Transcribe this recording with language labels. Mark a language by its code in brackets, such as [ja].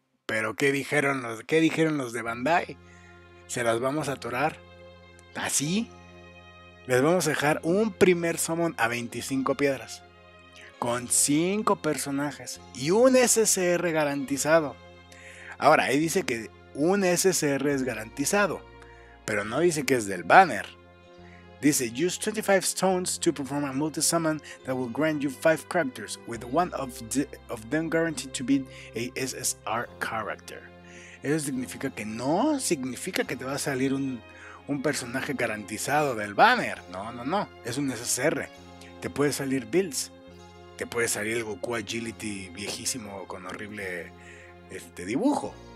[es] ¿Pero qué dijeron los de Bandai? ¿Se las vamos a atorar? ¿Así? Les vamos a dejar un primer summon a 25 piedras. Con 5 personajes. Y un SSR garantizado. Ahora, ahí dice que un SSR es garantizado. Pero no dice que es del banner. Dice, [en] use 25 stones to perform a multi-summon that will grant you 5 characters, with one of them guaranteed to be a SSR character. [es] Eso significa que no significa que te va a salir un personaje garantizado del banner. No, no, no. Es un SSR. Te puede salir Bills. Te puede salir el Goku Agility viejísimo con horrible dibujo.